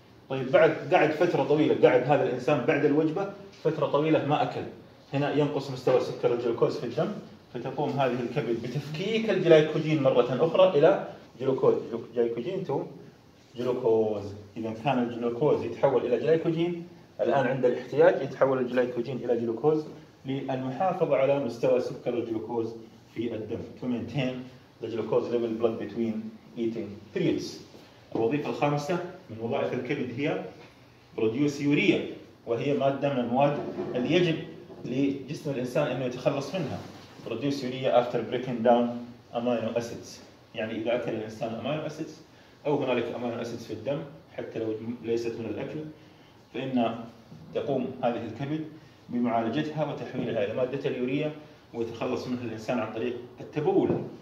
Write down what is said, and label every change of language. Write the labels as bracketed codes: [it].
[ar] طيب بعد قعد فترة طويلة، قعد هذا الإنسان بعد الوجبة فترة طويلة ما أكل، هنا ينقص مستوى سكر الجلوكوز في الدم، فتقوم هذه الكبد بتفكيك الجلايكوجين مرة أخرى إلى جلوكوز، جلايكوجين تو جلوكوز. إذا كان الجلوكوز يتحول إلى جلايكوجين، الآن عند الاحتياج يتحول الجلايكوجين إلى جلوكوز للمحافظة على مستوى سكر الجلوكوز في الدم. [en] To maintain the glucose level blood between eating periods. [ar] الوظيفة الخامسة من وظائف الكبد هي [en] produce urea، [ar] وهي مادة من المواد اللي يجب لجسم الإنسان أنه يتخلص منها. [en] produce urea after breaking down amino acids، [ar] يعني إذا أكل الإنسان amino acids أو هنالك amino acids في الدم حتى لو ليست من الأكل، فإن تقوم هذه الكبد بمعالجتها وتحويلها إلى مادة اليوريا ويتخلص منها الإنسان عن طريق التبول.